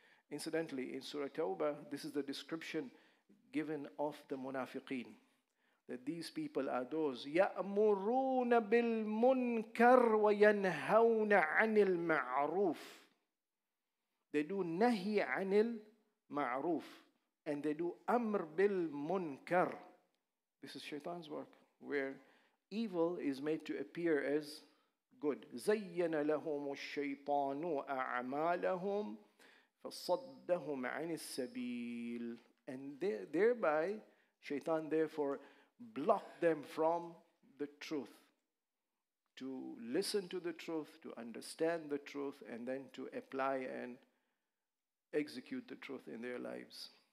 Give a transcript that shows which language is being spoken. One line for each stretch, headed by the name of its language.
English: Incidentally, in Surah Tawbah, this is the description given of the munafiqeen, that these people are those
Arabic: يَأْمُرُونَ بِالْمُنْكَرِ وَيَنْهَوْنَ عَنِ الْمَعْرُوفِ.
English: They do nahi عَنِ ma'roof, and they do amr bil munkar. This is Shaitan's work, where evil is made to appear as good.
Arabic: زين لهم الشيطان أعمالهم فصدهم عن السبيل.
English: And thereby, Shaitan therefore blocked them from the truth, to listen to the truth, to understand the truth, and then to apply and execute the truth in their lives.